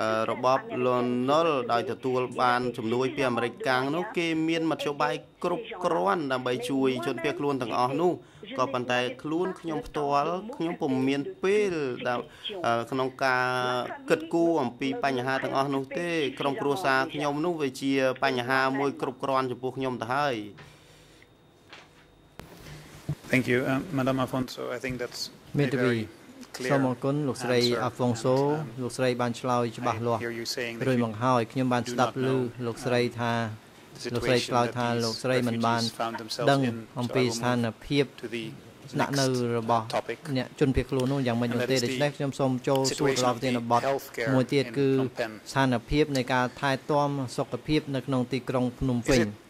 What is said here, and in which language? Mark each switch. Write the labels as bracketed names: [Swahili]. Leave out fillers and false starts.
[Khmer] របបលន់នល់ដោយទទួលបានជំនួយពីអាមេរិកកាំងនោះគេមានមធ្យោបាយគ្រប់គ្រាន់ដើម្បីជួយជនភៀសខ្លួនទាំងអស់នោះក៏ប៉ុន្តែខ្លួនខ្ញុំផ្ទាល់ខ្ញុំពុំមានពេលក្នុងការគិតគូរអំពីបញ្ហាទាំងអស់នោះទេក្រុមគ្រួសារខ្ញុំនោះវាជាបញ្ហាមួយគ្រប់គ្រាន់ចំពោះខ្ញុំទៅហើយ [English] Thank you Madame Afonso I think that's very clear [Khmer] សូមអរគុណលោកស្រី Afonso លោកស្រីបានឆ្លើយច្បាស់លាស់រួចមកហើយខ្ញុំបានស្ដាប់ឮលោកស្រីថាលោកស្រីឆ្លើយថាលោកស្រីមិនបានដឹងអំពីស្ថានភាពណាក់នៅរបស់អ្នកជនភៀសខ្លួននោះយ៉ាងម៉េចនោះទេដូច្នេះខ្ញុំសូមចូលសួរប្រធានបទមួយទៀតគឺស្ថានភាពនៃការថែទាំសុខភាពនៅក្នុងទីក្រុងភ្នំពេញ